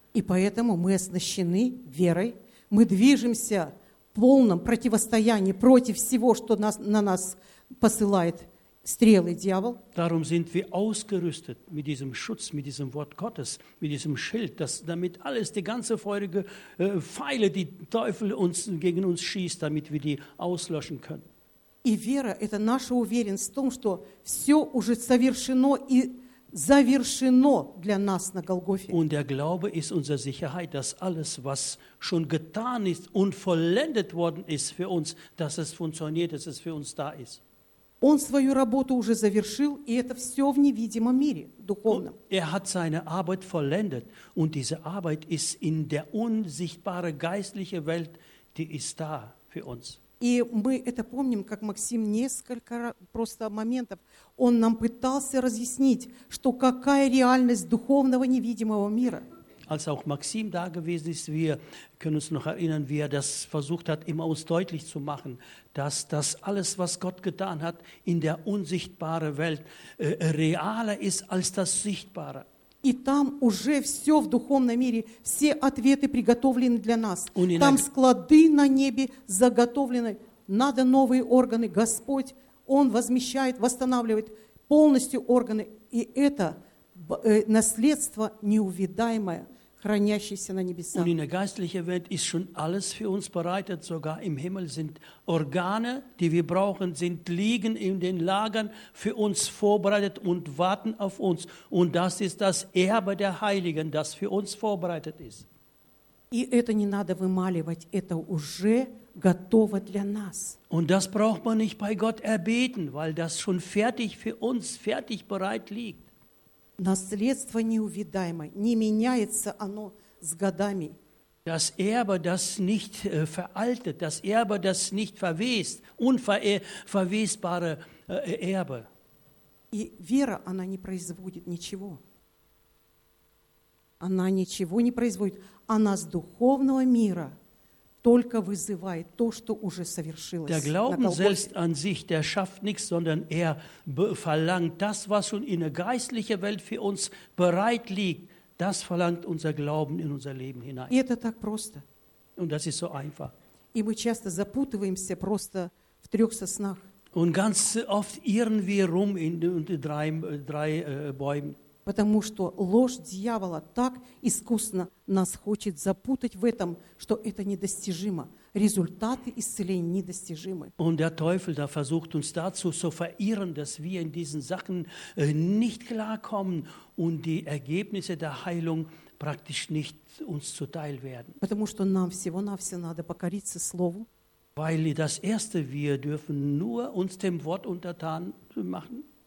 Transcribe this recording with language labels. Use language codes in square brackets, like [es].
[ru] И поэтому мы оснащены верой, мы движемся в полном противостоянии против всего, что нас, на нас посылает стрелы дьявол. [de] Darum sind wir ausgerüstet mit diesem Schutz, mit diesem Wort Gottes, mit diesem Schild, dass damit alles, die ganze feurige Pfeile, die Teufel uns, gegen uns schießt, damit wir die auslöschen können. [ru] И вера – это наша уверенность в том, что все уже совершено и завершено для нас на Голгофе. [de] Und der Glaube ist unsere Sicherheit, dass alles, was schon getan ist und vollendet worden ist für uns, dass es funktioniert, dass es für uns da ist. [ru] Он свою работу уже завершил, и это все в невидимом мире духовном. [de] Er hat seine Arbeit vollendet und diese Arbeit ist in der unsichtbaren geistlichen Welt, die ist da für uns. [ru] И мы это помним, как Максим несколько просто моментов, он нам пытался разъяснить, что какая реальность духовного невидимого мира. [de] Als auch Максим da gewesen ist, wir können uns noch erinnern, wie er das versucht hat, immer uns deutlich zu machen, dass das alles, was Gott getan hat, in der unsichtbaren Welt realer ist als das Sichtbare. [ru] И там уже все в духовном мире, все ответы приготовлены для нас. Там склады на небе заготовлены, надо новые органы. Господь, Он возмещает, восстанавливает полностью органы. И это наследство неувидаемое, хранящееся на небесах. И в [de] geistlichen Welt ist schon alles für uns bereitet, sogar im Himmel sind Organe, die wir brauchen, sind liegen in den Lagern für uns vorbereitet und warten auf uns. Und das ist das Erbe der Heiligen, das für uns vorbereitet ist. [ru] И это не надо вымаливать, это уже готово для нас. [de] Und das braucht man nicht bei Gott erbeten, weil das schon fertig für uns, fertig bereit liegt. [ru] Наследство неувидаемое, не меняется оно с годами. [de] Das Erbe, das nicht veraltet, das Erbe, das nicht verwest, unverwestbare Erbe. [ru] И вера, она не производит ничего. Она ничего не производит. Она с духовного мира только вызывает то, что уже совершилось. [de] Der Glauben selbst an sich, der schafft nichts, sondern er verlangt das, was schon in der geistlichen Welt für uns bereit liegt, das verlangt unser Glauben in unser Leben hinein. [ru] И это так просто. [de] Und das ist so einfach. [ru] И мы часто запутываемся просто в трех соснах. [de] Und ganz oft irren wir rum in drei Bäumen. [ru] Потому что ложь дьявола так искусно нас хочет запутать в этом, что это недостижимо. Результаты исцеления недостижимы. [de] Und der Teufel da versucht uns dazu zu verirren, dass wir in diesen Sachen nicht klarkommen und die Ergebnisse der Heilung praktisch nicht uns zuteil werden. [ru] Потому что нам всего-навсего надо покориться Слову. [de] Weil das Erste, wir dürfen nur uns dem Wort untertan machen.